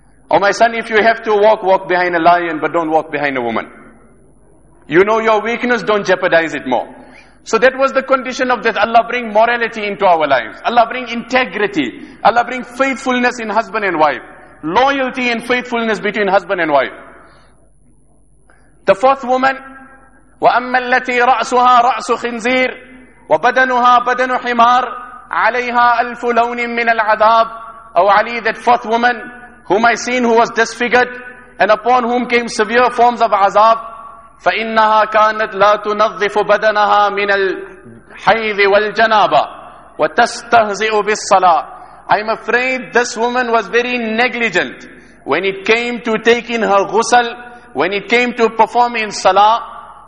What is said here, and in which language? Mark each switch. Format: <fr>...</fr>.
<en>Oh my son, if you have to walk, walk behind a lion, but don't walk behind a woman. You know your weakness, don't jeopardize it more. So that was the condition of that. Allah bring morality into our lives. Allah bring integrity. Allah bring faithfulness in husband and wife. Loyalty and faithfulness between husband and wife. The fourth woman,</en> <ar>وَأَمَّا الَّتِي رَأْسُهَا رَأْسُ خِنْزِيرٍ وَبَدَنُهَا بَدَنُ حِمَارٍ عَلَيْهَا أَلْفُ لَوْنٍ مِّنَ الْعَذَابِ.</ar> <en>Oh Ali, that fourth woman whom I seen, who was disfigured and upon whom came severe forms of azab.</en> <ar>فَإِنَّهَا كَانَتْ لَا تُنَظِّفُ بَدَنَهَا مِنَ الْحَيْذِ وَالْجَنَابَةِ وَتَسْتَهْزِئُ بِالصَّلَاةِ.</ar> <en>I'm afraid this woman was very negligent when it came to taking her ghusl, when it came to performing salah.</en>